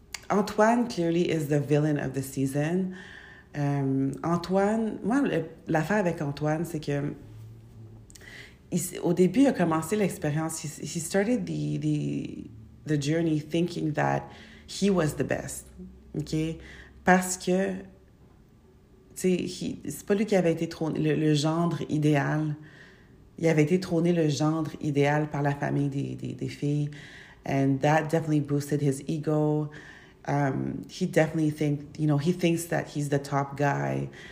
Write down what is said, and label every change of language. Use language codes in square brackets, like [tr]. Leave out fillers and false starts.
[en] Antoine, clearly, is the villain of the season. [fr] Antoine, moi, l'affaire avec Antoine, c'est que au début, il a commencé l'expérience. [en] He started the journey thinking that he was the best, OK? [fr] Parce que, tu sais, c'est pas lui qui avait été trôné le gendre idéal. Il avait été trôné le gendre idéal par la famille des filles. [en] And that definitely boosted his ego. He definitely thinks that he's the top guy.